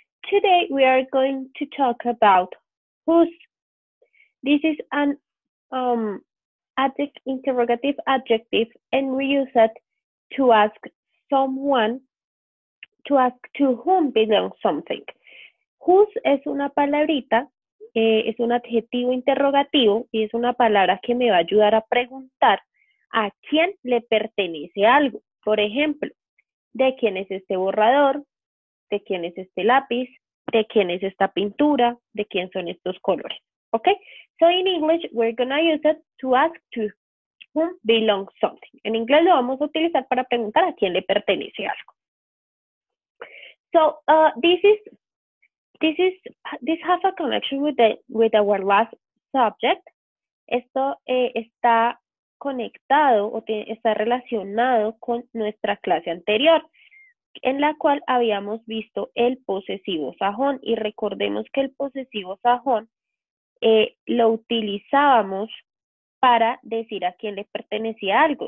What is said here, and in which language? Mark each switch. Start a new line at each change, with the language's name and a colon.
English: Today we are going to talk about whose. This is an interrogative adjective, and we use it to ask someone, to ask to whom belongs something.
Spanish: Whose es una palabrita, es un adjetivo interrogativo y es una palabra que me va a ayudar a preguntar a quién le pertenece algo. Por ejemplo, ¿de quién es este borrador? ¿De quién es este lápiz? ¿De quién es esta pintura? ¿De quién son estos colores? Okay?
English: So in English, we're going to use it to ask to whom belongs something.
Spanish: En inglés lo vamos a utilizar para preguntar a quién le pertenece algo.
English: So this has a connection with our last subject.
Spanish: Esto está conectado o está relacionado con nuestra clase anterior, en la cual habíamos visto el posesivo sajón. Y recordemos que el posesivo sajón lo utilizábamos para decir a quién le pertenecía algo.